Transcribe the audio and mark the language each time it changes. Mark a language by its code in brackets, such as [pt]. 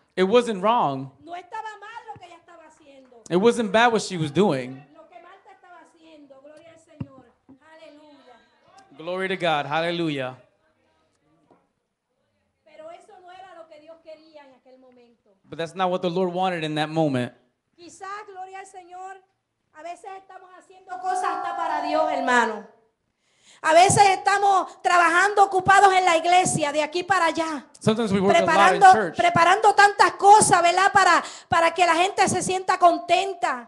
[en] It wasn't wrong. [es] No estaba mal lo que ella estaba haciendo. [en] It wasn't bad what she was doing. [es] Lo que Marta estaba haciendo, gloria al Señor, aleluya. [en] Glory to God, hallelujah. [es] Pero eso no era lo que Dios quería en aquel momento. [en] But that's not what the Lord wanted in that moment. [es] Quizá, gloria al Señor. A veces estamos haciendo cosas hasta para Dios, hermano. A veces estamos trabajando ocupados en la iglesia, de aquí para allá. [en] Sometimes we work [es] preparando, [en] a lot in church. [es] Preparando tantas cosas, ¿verdad? Para que la gente se sienta contenta.